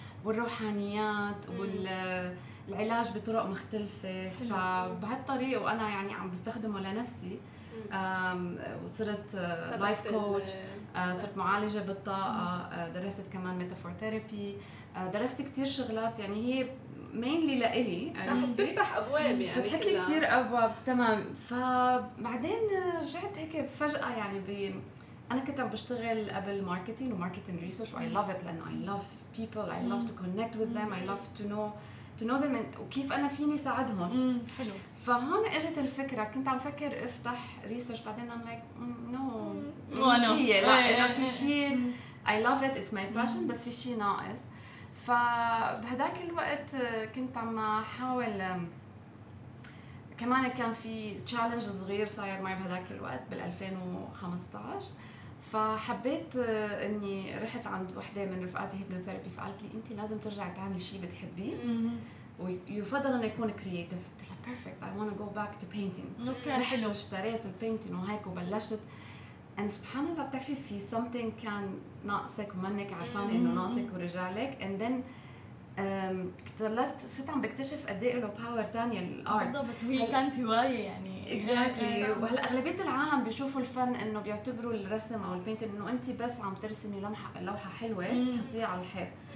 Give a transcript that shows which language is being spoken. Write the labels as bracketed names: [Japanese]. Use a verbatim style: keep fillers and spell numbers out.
[Arabic] والروحانيات والعلاج بطرق مختلفة، فبهالطريقة وانا يعني عم بستخدمه لنفسي، وصرت لايف كوتش، صرت معالجة بالطاقة، درست كمان ميتافور ثيرابي، درست كتير شغلات يعني هي mainly لإلي تفتح أبواب، يعني فتحت لي كتير أبواب. تمام. فبعدين رجعت هيك فجأة يعني ب... أنا كنت عم بشتغل قبل ماركتينج وماركتينج ريسيرش، وآي لاف إت، لأنه [English] I love people I love to connect with them I love to know to know them and... [Arabic] وكيف أنا فيني ساعدهم. حلو. فهون اجت الفكرة، كنت عم فكر افتح ريسيرش، بعدين [English] I'm like no [Arabic] مش شيء، لا إنه في شيء [English] I love it it's my passion [Arabic] بس في شيء ناقص. فبهداك الوقت كنت عم احاول كمان، كان في تشالنج صغير صاير معي بهداك الوقت بالألفين وخمسطعش، فحبيت اني رحت عند وحده من رفقاتي هيبنوثيرابي، فقالت لي انت لازم ترجعي تعملي شيء بتحبيه ويفضل انه يكون كرياتيف. قلت لها بيرفكت [English] I want to go back to painting. [Arabic] حلو. اشتريت البينتين وهيك وبلشت، ان سبحان الله بتعرفي في something كان ناقصك ومنك عارفانه انه ناقصك ورجع لك، [English] and then [Arabic] اكتشفت صرت عم بكتشف قد ايه له باور ثانيه الارت. بالضبط. هي كانت هوايه يعني اكزاكتلي. وهلا اغلبيه العالم بيشوفوا الفن انه بيعتبروا الرسم او البينتين انه انت بس عم ترسمي لمحه لوحه حلوه تحطيها على الحيط.